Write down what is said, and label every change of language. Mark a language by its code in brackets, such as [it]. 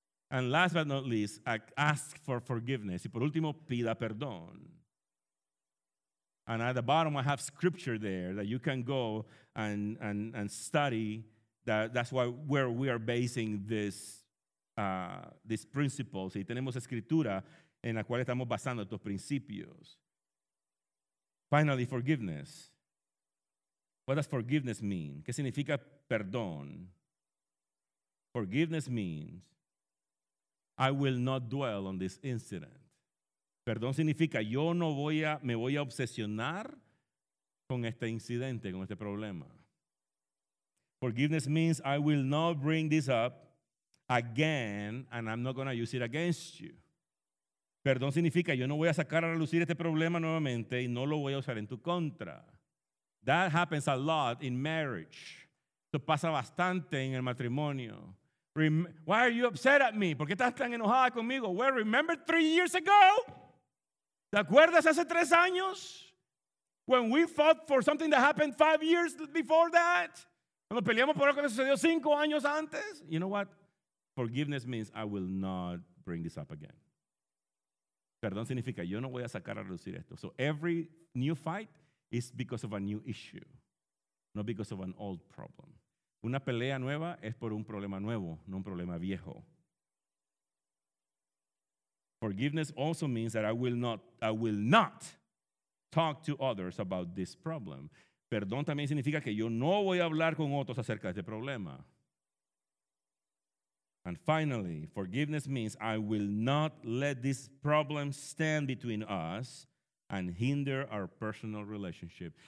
[en] And last but not least, ask for forgiveness. [es] Y por último, pida perdón. [en] And at the bottom, I have scripture there that you can go and study. That's why where we are basing this principles. [es] Y tenemos escritura en la cual estamos basando estos principios. [en] Finally, forgiveness. What does forgiveness mean? [es] ¿Qué significa perdón? [en] Forgiveness means I will not dwell on this incident. [es] Perdón significa yo no voy a, me voy a obsesionar con este incidente, con este problema. [en] Forgiveness means I will not bring this up again and I'm not going to use it against you. [es] Perdón significa yo no voy a sacar a relucir este problema nuevamente y no lo voy a usar en tu contra. [en] That happens a lot in marriage. [es] Esto pasa bastante en el matrimonio. [en] Why are you upset at me? [es] ¿Por qué estás tan enojada conmigo? [en] Well, remember 3 years ago? [es] ¿Te acuerdas hace 3 años? [en] When we fought for something that happened 5 years before that? [es] Cuando peleamos por algo que sucedió 5 años antes? [en] You know what? Forgiveness means I will not bring this up again. [es] Perdón significa yo no voy a sacar a reducir esto. [en] So every new fight, it's because of a new issue, not because of an old problem. [es] Una pelea nueva es por un problema nuevo, no un problema viejo. [en] Forgiveness also means that I will not talk to others about this problem. [es] Perdón también significa que yo no voy a hablar con otros acerca de este problema. [en] And finally, forgiveness means I will not let this problem stand between us and hinder our personal relationship.